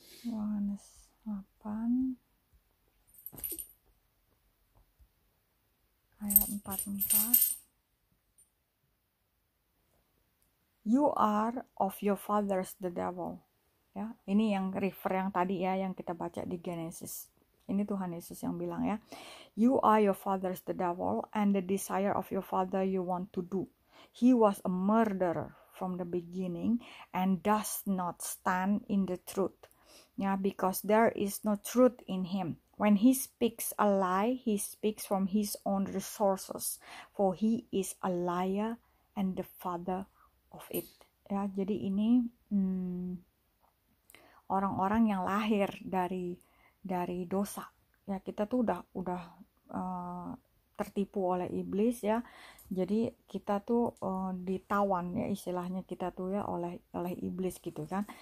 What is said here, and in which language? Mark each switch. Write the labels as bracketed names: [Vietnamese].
[Indonesian] Yohanes 8 ayat 44. [English] You are of your father's the devil. [Indonesian] Ya, ini yang refer yang tadi ya yang kita baca di Genesis. Ini Tuhan Yesus yang bilang ya. [English] You are your father's the devil and the desire of your father you want to do. He was a murderer from the beginning and does not stand in the truth. Ya, because there is no truth in him. When he speaks a lie, he speaks from his own resources, for he is a liar and the father of it. [Indonesian] Ya, jadi ini orang-orang yang lahir dari dosa. Ya, kita tuh udah tertipu oleh iblis ya. Jadi kita tuh ditawan ya istilahnya kita tuh ya oleh iblis gitu kan.